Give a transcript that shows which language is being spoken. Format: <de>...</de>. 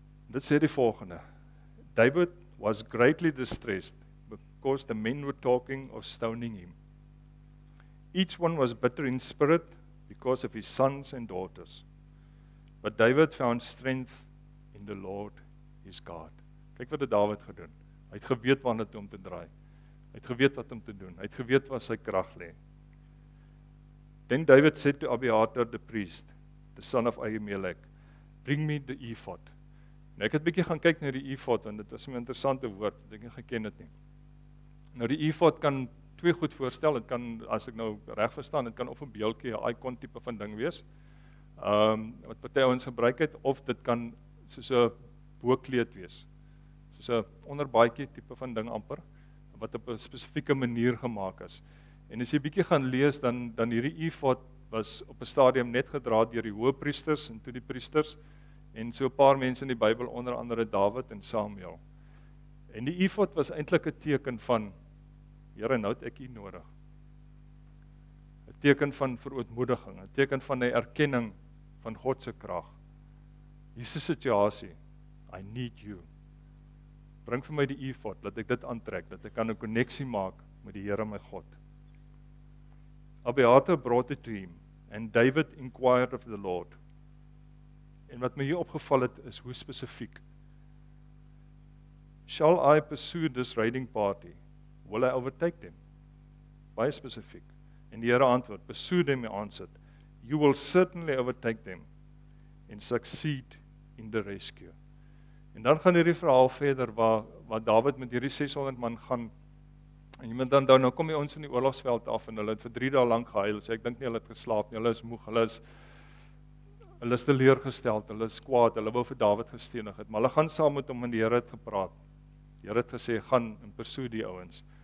<af>Dit sê die volgende:</af> <en>David was greatly distressed because the men were talking of stoning him. Each one was bitter in spirit because of his sons and daughters. But David found strength in the Lord his God.</en> <af>Kyk wat het Dawid gedoen. Hy het geweet waarna toe om te draai. Hy het geweet wat om te doen. Hy het geweet waar sy krag lê.</af> <en>Then David said to Abiathar the priest, the son of Ahimelech, bring me the ephod.</en> <af>Nou ek het bietjie gaan kyk na die ephod, want dit was 'n interessante woord. Ek dink ek geken dit nie. Nou die ephod kan twee goed voorstel. Dit kan, as ek nou reg verstaan, dit kan of 'n beeldjie, 'n icon tipe van ding wees. Wat party ouens gebruik het, of dit kan soos 'n boekleed wees. Soos 'n onderbaadjie tipe van ding amper, wat op 'n spesifieke manier gemaak is. En as jy bietjie gaan lees, dan hierdie ephod was op 'n stadium net gedra deur die hoëpriesters en toe die priesters en so 'n paar mense in die Bybel, onder andere Dawid en Samuel. En die ephod was eintlik 'n teken van: Here, nou het ek U nodig. 'n Teken van verootmoediging, 'n teken van 'n erkenning van God se krag. Jesus se situasie:</af> <en>I need you.</en> <af>Bring vir my die ephod, dat ek dit aantrek, dat ek kan 'n koneksie maak met die Here my God.</af> <en>Abiathar brought it to him, and David inquired of the Lord.</en> <af>En wat my hier opgeval het, is hoe specifiek.</af> <en>Shall I pursue this raiding party? Will I overtake them?</en> <af>Baie specifiek. En die Here antwoord,</af> <en>pursue them, your answer. You will certainly overtake them, and succeed in the rescue.</en> <af>En dan gaan hierdie verhaal verder, waar David met hierdie 600 man gaan, en jy moet dan nou kom jy ons in die oorlogsveld af, en hulle het vir 3 dae lank gehuil, so ek dink nie hulle het geslaap nie, hulle is moeg, hulle is teleurgesteld, hulle is kwaad, hulle wou vir David gestenig het, maar hulle gaan saam met hom, en die Here het gepraat, die Here het gesê, gaan en pursue die ouens.</af>